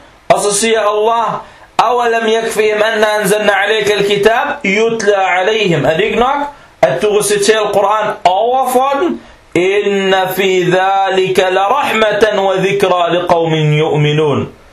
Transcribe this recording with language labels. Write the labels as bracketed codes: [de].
[da] Og så siger [ar] Allah, أَوَلَمْ يَكْفِهِمْ أَنَّا أَنزَلْنَا عَلَيْكَ الْكِتَابِ يُتْلَى عَلَيْهِمْ. [da] Er det ikke nok, at du reciterer Al-Quran overfor den? [ar] إن في ذلك لرحمة وذكرى لقوم يؤمنون.